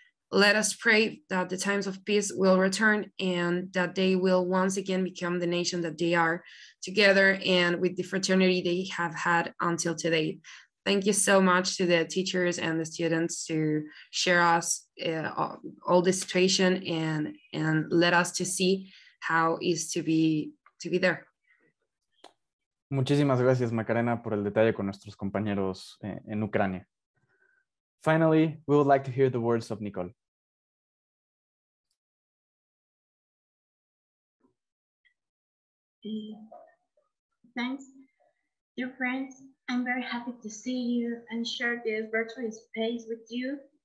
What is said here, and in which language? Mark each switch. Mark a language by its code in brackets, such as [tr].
[en] Let us pray that the times of peace will return and that they will once again become the nation that they are, together and with the fraternity they have had until today. Thank you so much to the teachers and the students to share us all the situation and let us to see how it is to be there. [es] Muchísimas gracias, Macarena, por el detalle con nuestros compañeros en Ucrania. [en] Finally, we would like to hear the words of Nicole. Thanks. Dear friends, I'm very happy to see you and share this virtual space with you.